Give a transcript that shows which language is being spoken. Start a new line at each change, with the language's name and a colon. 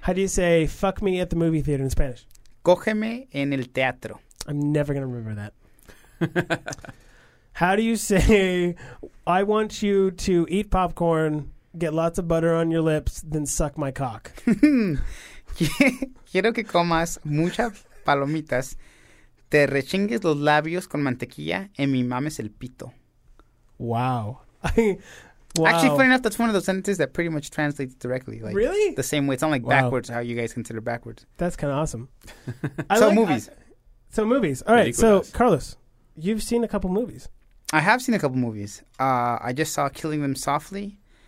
English: How do you say fuck me at the movie theater in Spanish?
Spanish: Cógeme en el teatro.
English: I'm never going to remember that. How do you say I want you to eat popcorn, get lots of butter on your lips, then suck my cock?
Spanish: Quiero que comas muchas palomitas. Te rechingues los labios con mantequilla y mi mames el pito.
English: Wow. Wow. Actually, funny enough, that's one of those sentences that pretty much translates directly. Like, really? The same way. It's not like backwards, how you guys consider backwards. That's kind of awesome. Movies. So movies. All right. So, Carlos, you've seen a couple movies. I have seen a couple movies. I just saw Killing Them Softly.